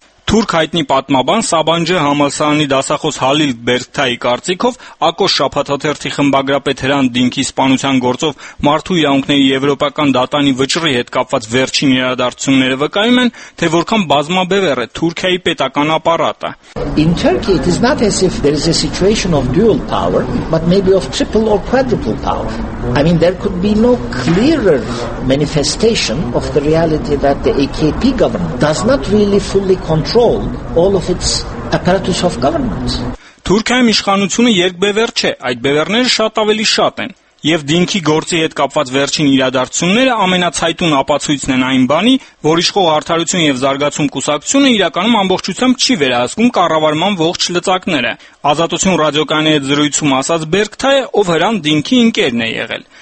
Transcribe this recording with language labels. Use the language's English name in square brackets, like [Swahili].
[Armenian] Թուրք հայտնի պատմաբան Սաբանջի համալսարանի դասախոս Հալիլ Բերգթայի կարծիքով ակոս շաբաթաթերթի խմբագրապետ Հրանտ Դինքի սպանության գործով մարդու իրավունքների եվրոպական դատանի վճռի հետ կապված վերջին իրադարձությունները վկայում են, թե որքան բազմաբև էր Թուրքիայի պետական ապարատը։ [English] In Turkey it is not as if there is a situation of dual power, but maybe of triple or quadruple power. I mean there could be no clearer manifestation of the reality that the AKP government does not really fully control all of its apparatus of government. [Armenian] Թուրքիայում իշխանությունը երկբևեռ չէ, այդ բևեռները շատ ավելի շատ են, եւ Դինքի գործի հետ կապված վերջին իրադարձությունները ամենացայտուն ապացույցն են այն բանի, որ իշխող արդարություն եւ զարգացում կուսակցությունը իրականում ամբողջությամբ չի վերահսկում կառավարման ողջ լծակները, Ազատություն ռադիոկայանի հետ զրույցում ասաց Բերգթայը, ով Հրանտ Դինքի ընկերն է եղել։